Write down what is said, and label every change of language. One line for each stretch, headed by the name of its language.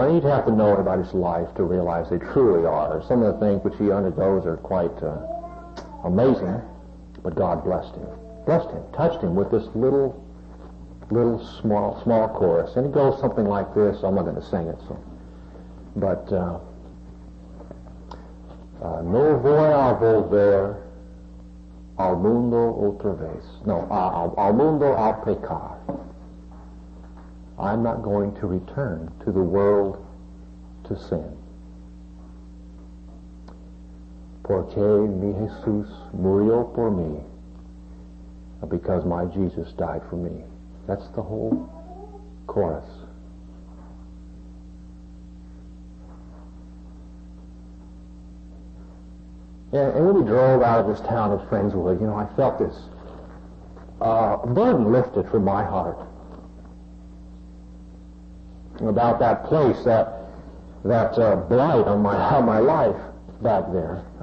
English: And you'd have to know about his life to realize they truly are. Some of the things which he undergoes are quite amazing, but God blessed him. Blessed him, touched him with this little small chorus. And it goes something like this. I'm not going to sing it.
Spanish: But no voy a volver al mundo otra vez. No, al mundo a pecar.
English: I'm not going to return to the world to sin.
Spanish: Porque mi Jesús murió por mí.
English: Because my Jesus died for me. That's the whole chorus. And when we drove out of this town of Friendswood, you know, I felt this burden lifted from my heart about that place, that blight on my life back there.